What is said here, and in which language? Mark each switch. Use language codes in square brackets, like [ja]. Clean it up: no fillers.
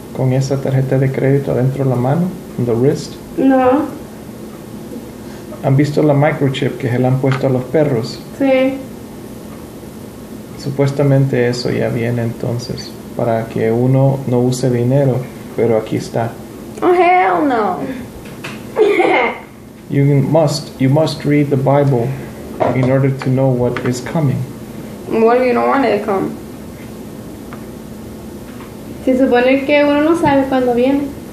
[es] con esa tarjeta de crédito adentro de la mano, [en] on the wrist? [es] No. ¿Han visto la microchip que se le han puesto a los perros? Sí. Supuestamente eso ya viene entonces, para que uno no use dinero, pero aquí está. [en] Oh, hell no. You must read the Bible in order to know what is coming. What if you don't want it to come? [es] Se supone que uno no sabe cuándo viene.